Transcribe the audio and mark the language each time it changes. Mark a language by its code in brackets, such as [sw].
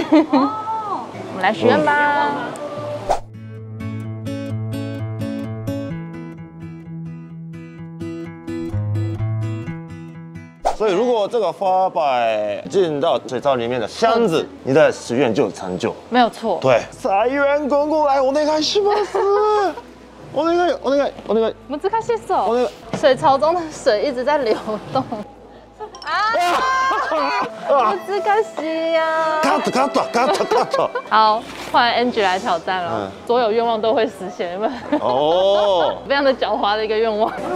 [zh] 哦，我们来许愿吧。所以如果这个花摆进到水槽里面的箱子，你的许愿就有成就。没有错。对，财源滚滚来， [ja] お願いします。お願い、お願い、お願い。難しいっすよ。お願い。 [zh] 水槽中的水一直在流动。 [ja] 啊！難しいよ。 [en] Cut cut cut cut。 [zh] 好，换 Angie 来挑战了。所有愿望都会实现，哦。非常的狡猾的一个愿望。